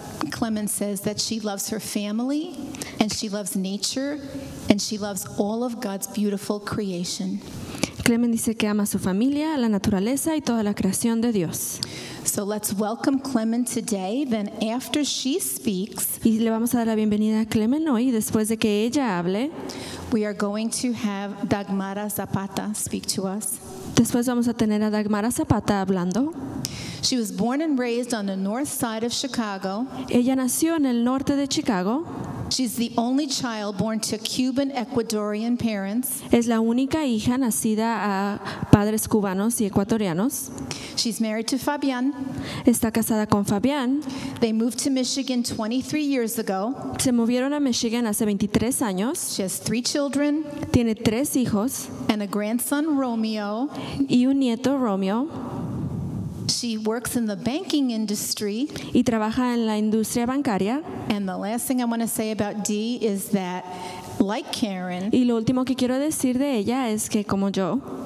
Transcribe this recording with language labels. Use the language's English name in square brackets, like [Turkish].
[English] Clement says that she loves her family, and she loves nature, and she loves all of God's beautiful creation. [Spanish] Clement dice que ama su familia, la naturaleza y toda la creación de Dios. [English] So let's welcome Clement today. Then after she speaks, [Spanish] y le vamos a dar la bienvenida a Clement hoy después de que ella hable. [English] We are going to have Dagmara Zapata speak to us. [Spanish] Después vamos a tener a Dagmara Zapata hablando. [English] She was born and raised on the north side of Chicago. [Spanish] Ella nació en el norte de Chicago. [English] She's the only child born to Cuban Ecuadorian parents. [Spanish] Es la única hija nacida a padres cubanos y ecuatorianos. [English] She's married to Fabian. [Spanish] Está casada con Fabian. [English] They moved to Michigan 23 years ago. [Spanish] Se movieron a Michigan hace 23 años. [English] She has three children. [Spanish] Tiene tres hijos. [English] And a grandson, Romeo. [Spanish] Y un nieto, Romeo. [English] She works in the banking industry. [Spanish] Y trabaja en la industria bancaria. [English] And the last thing I want to say about Dee is that, like Karen, [Spanish] y lo último que quiero decir de ella es que, como yo,